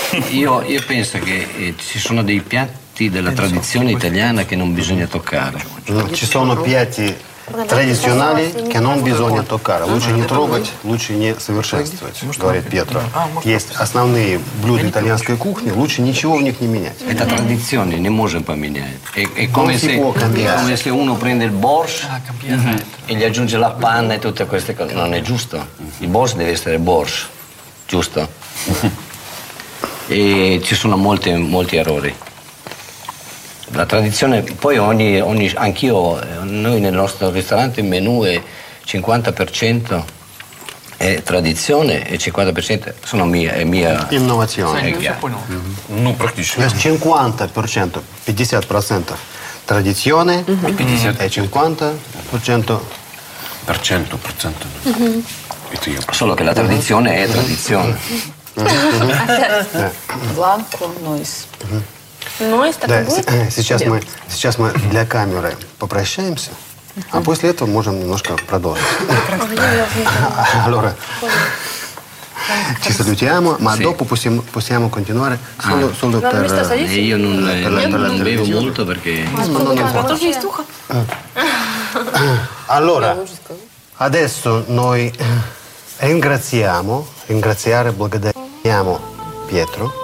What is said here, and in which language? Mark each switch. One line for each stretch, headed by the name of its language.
Italian: Io penso che ci sono dei piatti della tradizione italiana che non bisogna toccare. Ci sono piatti tradizionali che non bisogna toccare.
Russian: Luce не трогать, лучше не совершенствовать, говорит Петро. Есть основные блюда итальянской кухни, лучше ничего в них не менять. Это традиционно, не можем поменять.
Italian: È come se uno prende il borscht e gli aggiunge la panna e tutte queste cose. Non è giusto. Il borscht deve essere borscht, giusto? E ci sono molti, molti errori. La tradizione, poi ogni anch'io, noi nel nostro ristorante il menù è 50% è tradizione e 50% sono mia, è mia innovazione. Non praticamente. 50%, 50% tradizione e 50% per 100%. Solo che la tradizione è tradizione. Blanco noise.
Russian: Да, будет? Сейчас мы для камеры попрощаемся, а после этого можем немножко продолжить.
Italian: Allora, ci salutiamo, ma dopo possiamo continuare solo per... Io non bevo molto perché... Ma non importa. Allora, adesso noi ringraziamo, Pietro.